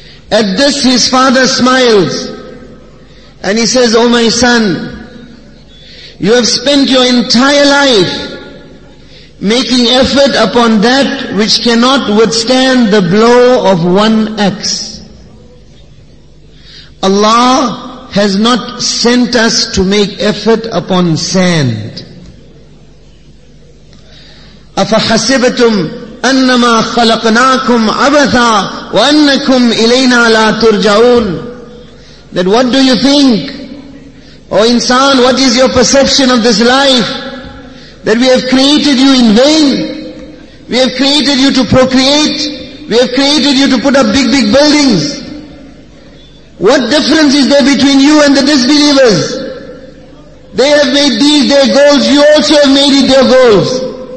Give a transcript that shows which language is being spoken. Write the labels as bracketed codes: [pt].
[en] At this his father smiles and he says, "Oh my son, you have spent your entire life making effort upon that which cannot withstand the blow of one axe. Allah has not sent us to make effort upon sand. [ar] أَفَحَسِبْتُمْ أَنَّمَا خَلَقْنَاكُمْ عَبَثًا وَأَنَّكُمْ إِلَيْنَا لَا تُرْجَعُونَ [en] That what do you think? O insan, what is your perception of this life? That we have created you in vain? We have created you to procreate? We have created you to put up big, big buildings? What difference is there between you and the disbelievers? They have made these their goals, you also have made it their goals.